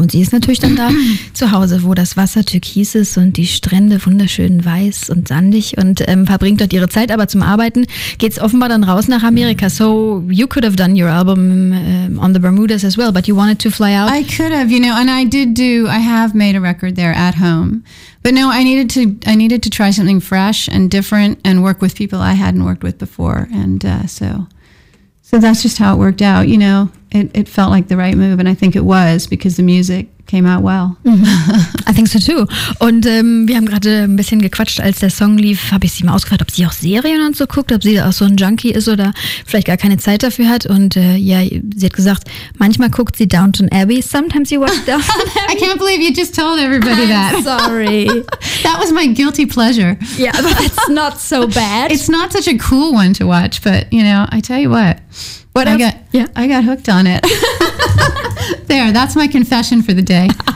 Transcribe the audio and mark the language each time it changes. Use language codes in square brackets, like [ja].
[de] Und sie ist natürlich dann da zu Hause, wo das Wasser türkis ist und die Strände wunderschön weiß und sandig und verbringt dort ihre Zeit. Aber zum Arbeiten geht es offenbar dann raus nach Amerika. [en] So you could have done your album on the Bermudas as well, but you wanted to fly out. I could have, you know, and I have made a record there at home. But no, I needed to try something fresh and different and work with people I hadn't worked with before. And so that's just how it worked out, you know. It felt like the right move, and I think it was because the music came out well. Mm-hmm. I think so too. [de] Und wir haben gerade ein bisschen gequatscht, als der Song lief, habe ich sie mal ausgefragt, ob sie auch Serien und so guckt, ob sie auch so ein Junkie ist oder vielleicht gar keine Zeit dafür hat. Und ja, sie hat gesagt, manchmal guckt sie Downton Abbey. [en] Sometimes you watch Downton Abbey. I can't believe you just told everybody that. Sorry. That was my guilty pleasure. Yeah, but it's not so bad. It's not such a cool one to watch, but you know, I tell you what. What I got, yeah, I got hooked on it. There, that's my confession for the day.